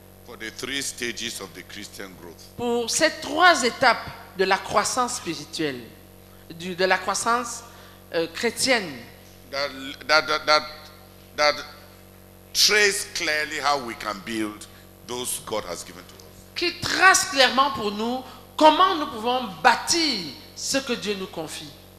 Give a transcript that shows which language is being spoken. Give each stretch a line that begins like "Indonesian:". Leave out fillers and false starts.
English: For the three stages of the Christian growth.
French: Pour ces trois étapes de la croissance spirituelle, de la croissance chrétienne.
English: That trace clearly how we can build those God has given to us.
French: Qui trace clairement pour nous comment nous pouvons bâtir ce que Dieu nous confie.